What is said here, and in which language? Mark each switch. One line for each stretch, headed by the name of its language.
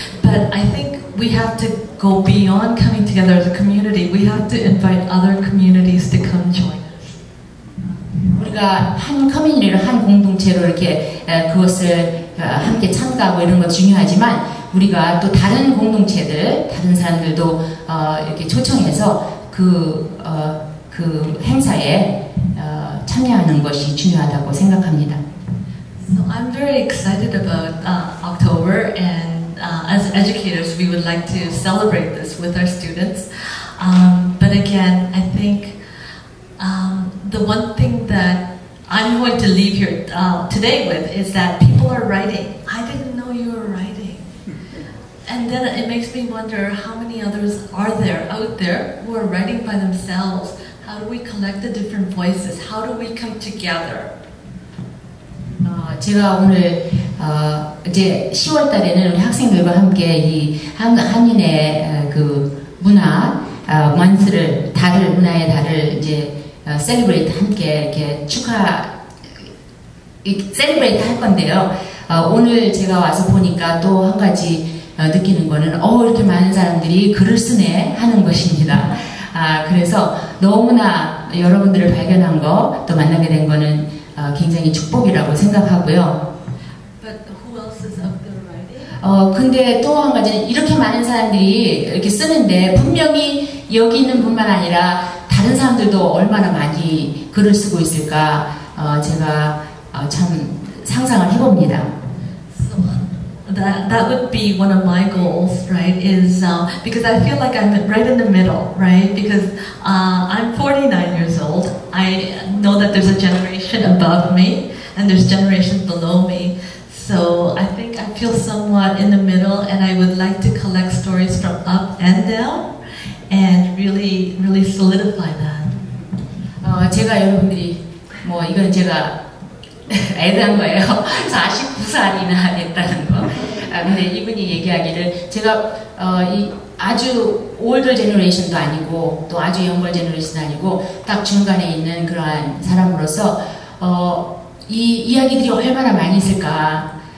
English: But I think we have to go beyond coming together as a community. We have to invite other communities to come join us.
Korean: 우리가 한 커뮤니티를 한 공동체로 이렇게 그것을 함께 참가하고 이런 것 중요하지만 우리가 또 다른 공동체들, 다른 사람들도 이렇게 초청해서 그 행사에 참여하는 것이 중요하다고 생각합니다.
English: So I'm very excited about October, and as educators, we would like to celebrate this with our students. But again, I think the one thing that I'm going to leave here today with is that people are writing. I didn't know you were writing. And then it makes me wonder how many others are there out there who are writing by themselves. How do we collect the different voices? How do we come together?
Korean: 제가 오늘 이제 10월 달에는 우리 학생들과 함께 이 한인의 그 문화 먼스를 달을 문화의 달을 이제 셀리브레이트 함께 이렇게 축하 셀리브레이트 할 건데요. 오늘 제가 와서 보니까 또 한 가지 느끼는 거는 이렇게 많은 사람들이 글을 쓰네 하는 것입니다. 그래서 너무나 여러분들을 발견한 거 또 만나게 된 거는 굉장히 축복이라고 생각하고요.
English: But who else is up there writing?
Korean: 근데 또 한 가지는 이렇게 많은 사람들이 이렇게 쓰는데 분명히 여기 있는 분만 아니라 다른 사람들도 얼마나 많이 글을 쓰고 있을까 제가 참 상상을 해봅니다.
English: So, that would be one of my goals, right? Is because I feel like I'm right in the middle, right? Because I'm 49 years old. I know that there's a generation above me and there's generations below me. So I think I feel somewhat in the middle, and I would like to collect stories from up and down and really, really solidify that.
Korean: 제가 여러분들이 뭐 이건 제가 애드한 거예요. 49살이나 됐다는 거. 근데 이분이 얘기하기를 제가 이 아주
English: older generation
Korean: 도 아니고 또 아주
English: younger generation
Korean: 도 아니고 딱 중간에 있는 그러한 사람으로서 이 이야기들이 얼마나 많이 있을까.